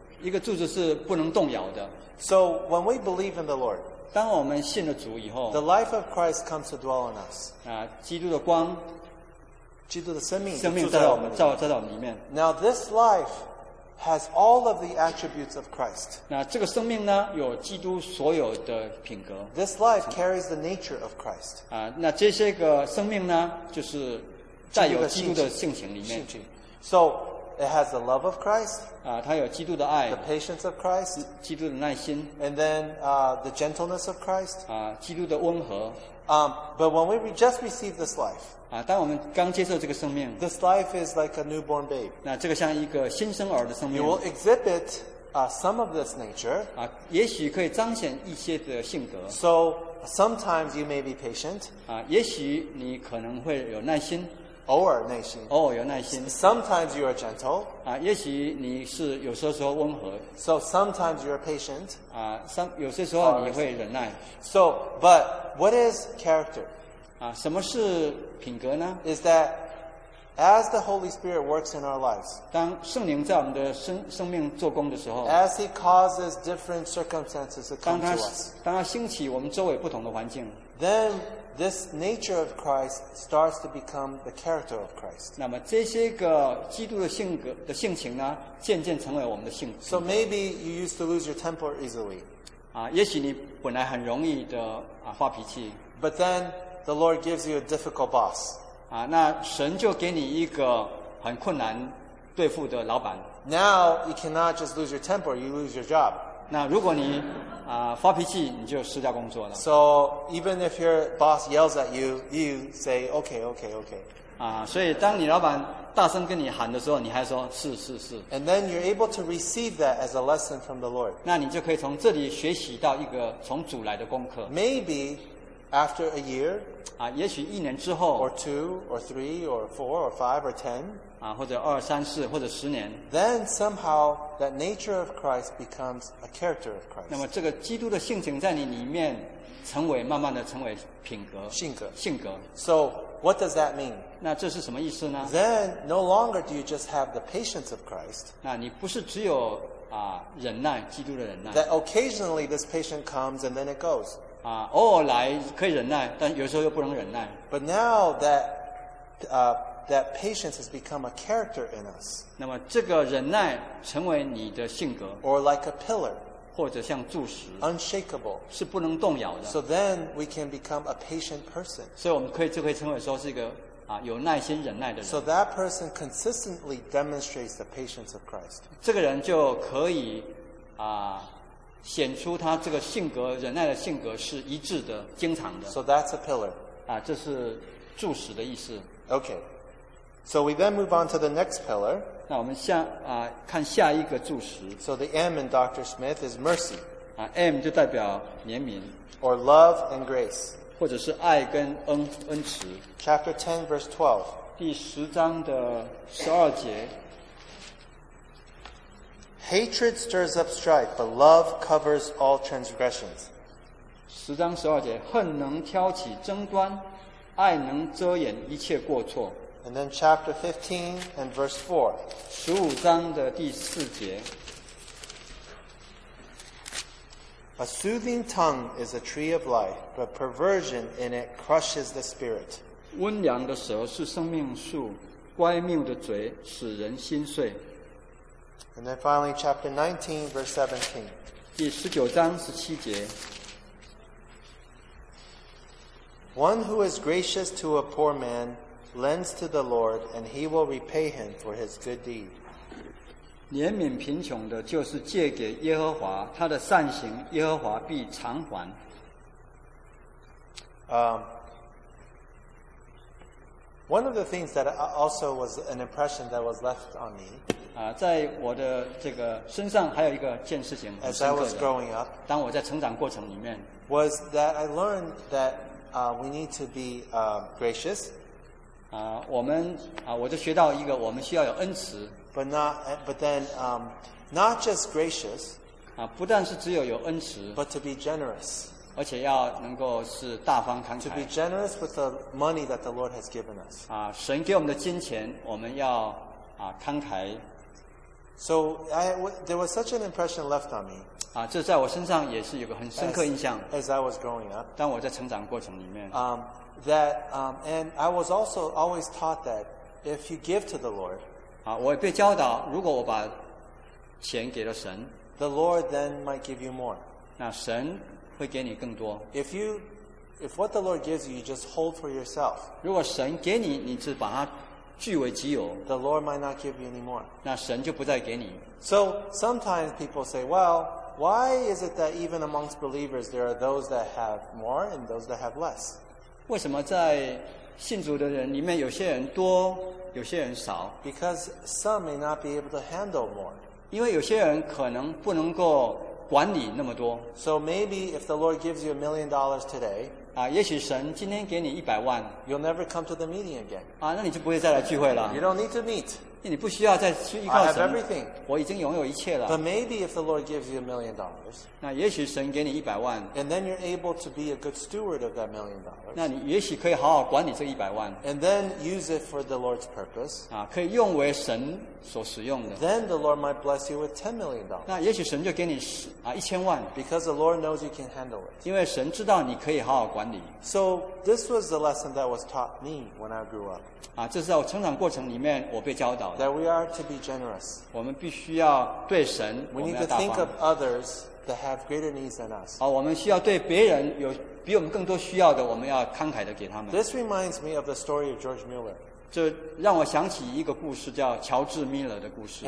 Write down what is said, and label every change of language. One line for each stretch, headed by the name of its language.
Chinese: 一个柱子是不能动摇的。
English: So when we believe in the Lord.
Chinese: 当我们信了主以后，
English: the life of Christ comes to dwell in us.
Chinese: 啊，基督的光，基督的生命，生命在我们照我们里面。
English: Now this life has all of the attributes of Christ.
Chinese: 那这个生命呢，有基督所有的品格。
English: This life carries the nature of Christ.
Chinese: 啊，那这些个生命呢，就是带有基督的性情里面。
English: So it has the love of Christ.
Chinese: 啊，它有基督的爱。
English: The patience of Christ.
Chinese: 基督的耐心。
English: And then the gentleness of Christ.
Chinese: 啊，基督的温和。
English: But when we just receive this life.
Chinese: 啊，当我们刚接受这个生命。
English: This life is like a newborn babe.
Chinese: 那这个像一个新生儿的生命。
English: You will exhibit some of this nature.
Chinese: 啊，也许可以彰显一些的性格。
English: So sometimes you may be patient.
Chinese: 啊，也许你可能会有耐心。偶尔有耐心。
English: Sometimes you are gentle.
Chinese: 啊，也许你是有些时候温和。
English: So sometimes you are patient.
Chinese: 啊，有些时候你会忍耐。
English: So, but what is character?
Chinese: 啊，什么是品格呢？
English: Is that as the Holy Spirit works in our lives?
Chinese: 当圣灵在我们的生命做工的时候。
English: As He causes different circumstances to come to us.
Chinese: 当他兴起我们周围不同的环境。
English: Then. This nature of Christ starts to become the character of Christ.
Chinese: 那么这些个基督的性格的性情呢，渐渐成为我们的性格。
English: So maybe you used to lose your temper easily.
Chinese: 啊，也许你本来很容易的啊发脾气。
English: But then the Lord gives you a difficult boss.
Chinese: 啊，那神就给你一个很困难对付的老板。
English: Now you cannot just lose your temper; you lose your job.
Chinese: 那如果你发脾气你就失掉工作了。
English: So even if your boss yells at you, you say okay, okay, okay.
Chinese: 啊，所以当你老板大声跟你喊的时候，你还说是是是。
English: And then you're able to receive that as a lesson from the Lord.
Chinese: 那你就可以从这里学习到一个从主来的功课。
English: Maybe after a year.
Chinese: 啊，也许一年之后。
English: Or two, or three, or four, or five, or ten.
Chinese: 啊，或者二三四，或者十年。
English: Then somehow that nature of Christ becomes a character of Christ.
Chinese: 那么这个基督的性情在你里面成为慢慢的成为品格。性格。
English: So what does that mean?
Chinese: 那这是什么意思呢？
English: Then no longer do you just have the patience of Christ.
Chinese: 那你不是只有啊忍耐基督的忍耐。
English: That occasionally this patience comes and then it goes.
Chinese: 啊，偶尔来可以忍耐，但有时候又不能忍耐。
English: But now that patience has become a character in us.
Chinese: 那么这个忍耐成为你的性格。
English: Or like a pillar.
Chinese: 或者像柱石。
English: Unshakable.
Chinese: 是不能动摇的。
English: So then we can become a patient person.
Chinese: 所以我们就可以称为说是一个啊有耐心忍耐的人。
English: So that person consistently demonstrates the patience of Christ.
Chinese: 这个人就可以啊显出他这个性格忍耐的性格是一致的经常的。
English: So that's a pillar.
Chinese: 啊，这是柱石的意思。
English: Okay. So we then move on to the next pillar.
Chinese: 那我们下啊看下一个柱石。
English: So the M in Dr. Smith is mercy.
Chinese: 啊 ，M 就代表怜悯。
English: Or love and grace.
Chinese: 或者是爱跟恩慈。
English: Chapter 10, verse 12.
Chinese: 第十章的十二节。
English: Hatred stirs up strife, but love covers all transgressions.
Chinese: 十章十二节，恨能挑起争端，爱能遮掩一切过错。
English: And then chapter 15 and verse 4.
Chinese: 15章的第四节。
English: A soothing tongue is a tree of life, but perversion in it crushes the spirit.
Chinese: 温良的舌是生命树，乖谬的嘴使人心碎。
English: And then finally, chapter 19, verse 17.
Chinese: 第十九章十七节。
English: One who is gracious to a poor man lends to the Lord, and he will repay him for his good deed.
Chinese: 怜悯贫穷的就是借给耶和华，他的善行耶和华必偿还。
English: One of the things that also was an impression that was left on me.
Chinese: 在我的这个身上还有一个件事情很深刻的。
English: As I was growing up,
Chinese: 当我在成长过程里面
English: was that I learned that we need to be gracious.
Chinese: 我们我就学到一个，我们需要有恩慈。
English: But then not just gracious.
Chinese: 不但是只有恩慈
English: ，but to be generous.
Chinese: 而且要能够是大方慷慨。
English: To be generous with the money that the Lord has given us.
Chinese: 神给我们的金钱，我们要慷慨。
English: So there was such an impression left on me.
Chinese: 这在我身上也是有个很深刻印象。
English: As I was growing up.
Chinese: 当我在成长过程里面。
English: And I was also always taught that if you give to the Lord.
Chinese: 我也被教导，如果我把钱给了神
English: ，the Lord then might give you more.
Chinese: 那神。会给你更多。
English: If what the Lord gives you, you just hold for yourself.
Chinese: 如果神给你，你只把它据为己有。
English: The Lord might not give you anymore.
Chinese: 那神就不再给你。
English: So sometimes people say, well, why is it that even amongst believers there are those that have more and those that have less?
Chinese: 为什么在信主的人里面有些人多，有些人少
English: ？Because some may not be able to handle more.
Chinese: 因为有些人可能不能够。管理那么多。
English: So maybe if the Lord gives you $1 million today,
Chinese: 也许神今天给你一百万
English: ，you'll never come to the meeting again.
Chinese: 那你就不会再来聚会了。
English: You don't need to meet.
Chinese: 你不需要再去依靠神。
English: I have everything.
Chinese: 我已经拥有一切了。
English: But maybe if the Lord gives you $1 million,
Chinese: 那也许神给你一百万
English: ，and then you're able to be a good steward of that $1 million.
Chinese: 那你也许可以好好管理这一百万
English: ，and then use it for the Lord's purpose.
Chinese: 可以用为神所使用的。
English: Then the Lord might bless you with $10 million.
Chinese: 那也许神就给你一千万
English: ，because the Lord knows you can handle it.
Chinese: 因为神知道你可以好好管理。
English: So this was the lesson that was taught me when I grew up.
Chinese: 这是在我成长过程里面我被教导的。
English: That we are to be generous.
Chinese: 我们必须要对神，我们要大方。
English: We need to think of others that have greater needs than us.
Chinese: 我们需要对别人有比我们更多需要的，我们要慷慨的给他们。
English: This reminds me of the story of George Mueller.
Chinese: 这让我想起一个故事，叫乔治·米勒的故事。